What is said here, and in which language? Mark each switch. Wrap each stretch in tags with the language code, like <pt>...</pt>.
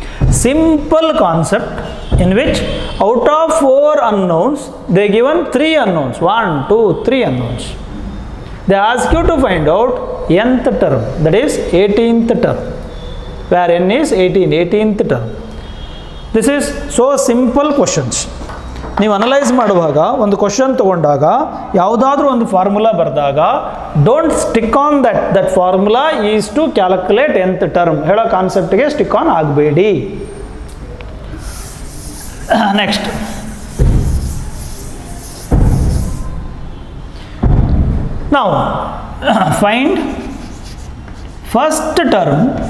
<en>simple concept in which out of 4 unknowns, they given 3 unknowns, 1, 2, 3 unknowns. They ask you to find out nth term, that is 18th term, where n is 18, 18th term. This is so simple questions.</en> <kn>ನೀವು analyse ಮಾಡುವಾಗ ಒಂದು question ತಗೊಂಡಾಗ ಯಾವುದಾದ್ರೂ ಒಂದು formula ಬರೆದಾಗ</kn> <en>don't stick on that formula is to calculate nth term</en> <kn>ಹೇಳೋ ಕಾನ್ಸೆಪ್ಟ್ಗೆ stick on ಆಗಬೇಡಿ.</kn> <en>next ನಾವು find first term</en>